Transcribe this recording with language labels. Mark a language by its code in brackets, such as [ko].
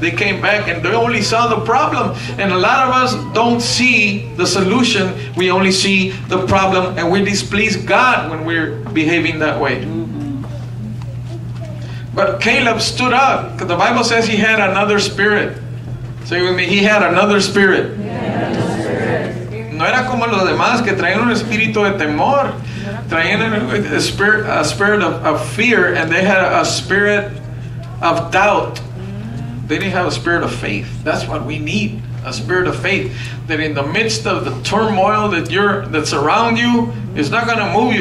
[en] They came back and they only saw the problem. And a lot of us don't see the solution. We only see the problem, and we displease God when we're behaving that way. But Caleb stood up, because the Bible says he had another spirit. Say with me, he had another spirit. [es] No era como los demás que traían un espíritu de temor. Traían [en] a spirit of fear, and they had a spirit of doubt. They didn't have a spirit of faith. That's what we need, a spirit of faith. That in the midst of the turmoil that's around you, it's not going to move you.